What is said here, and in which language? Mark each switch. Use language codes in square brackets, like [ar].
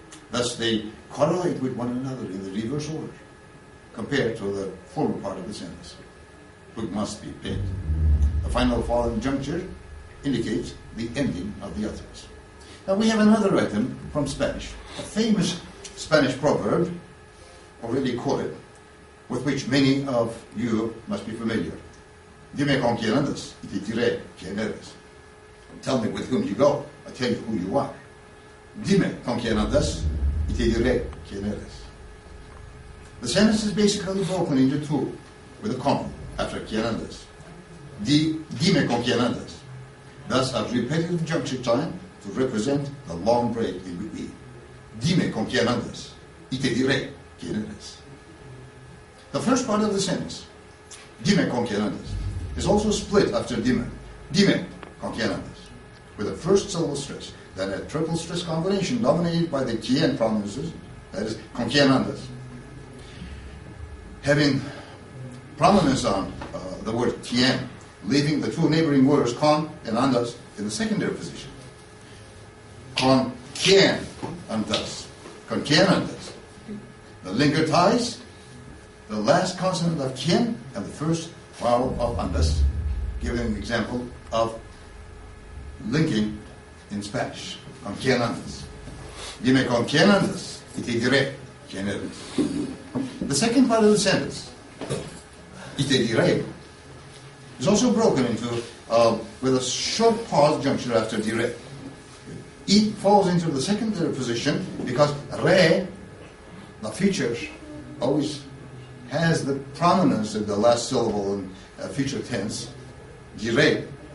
[en] Thus, they correlate with one another in the reverse order compared to the former part of the sentence. Twig must be bent The final following juncture indicates the ending of the utterance. Now we have another item from Spanish, a famous Spanish proverb, already quoted, with which many of you must be familiar. [es] Dime con quién andas, y te diré quién eres. [en] Tell me with whom you go, I tell you who you are. [es] Dime con quién andas, y te diré quién eres. [en] The sentence is basically broken into two, with a comma after [es] quién andas. Dime con quién andas. [en] Thus, a repetitive juncture time to represent the long break in between. [es] Dime con quién andas, y te diré quién eres. [en] The first part of the sentence, [es] dime con quién andas, [en] is also split after dime. [es] Dime con quién andas, [en] with a first syllable stress, then a triple stress combination dominated by the quién pronunciation, that is, [es] con quién andas. [en] Having prominence on the word quién, leaving the two neighboring words con and andas in the secondary position. [es] Con quién andas, con quién andas. [en] The linger ties the last consonant of quién and the first vowel of andas, giving an example of linking in Spanish. [es] Con quién andas. Dime con quién andas, y te diré quién eres. [en] The second part of the sentence, [es] y te diré, [en] is also broken into with a short pause juncture after diré. It falls into the secondary position because re, the feature, always has the prominence of the last syllable in future tense, diré.